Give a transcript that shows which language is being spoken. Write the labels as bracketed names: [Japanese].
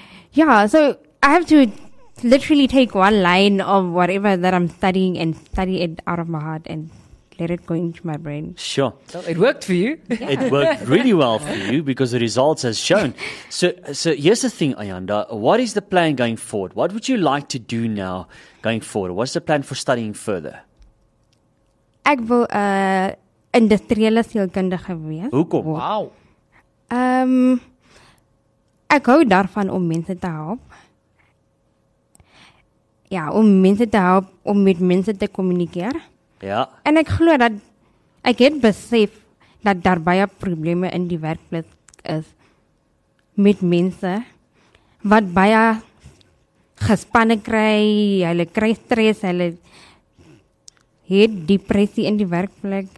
[English] Ja, so I have to literally take one line of whatever that I'm studying and study it out of my heart and let it go into my brain. Sure. Well, it worked for you. Yeah. It worked really well for you because the results has shown. So here's the thing, Ayanda. What is the plan going forward? What would you like to do now going forward? What's the plan for studying further? [Afrikaans] Ek wil 'n industriële sielkundige wees. Hoekom? Wow. Ek hou daarvan om mense te help. Ja, om mense te help, om met mense te kommunikeer. Ja. En ek glo dat ek het besef dat daar baie probleme in die werkplek is met mense wat baie gespanne kry, hulle kry stres, hulle het depressie in die werkplek.